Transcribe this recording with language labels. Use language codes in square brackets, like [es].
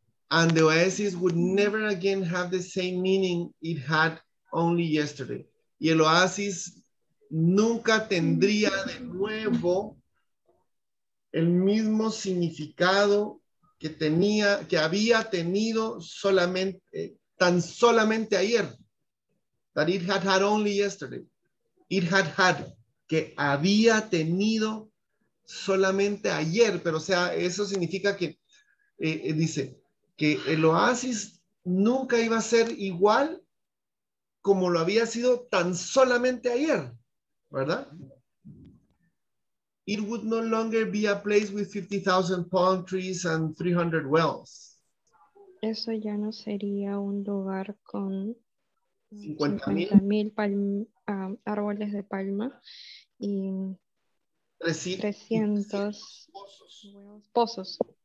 [en] And the oasis would never again have the same meaning it had only yesterday. [es] Y el oasis nunca tendría de nuevo el mismo significado que había tenido tan solamente ayer. [en] That it had had only yesterday. It had had, [es] que había tenido solamente ayer. Pero, o sea, eso significa que, dice, que el oasis nunca iba a ser igual como lo había sido tan solamente ayer, ¿verdad? [en] It would no longer be a place with 50,000 palm trees and 300 wells. [es] Eso ya no sería un lugar con 50,000 árboles de palma y 300 pozos.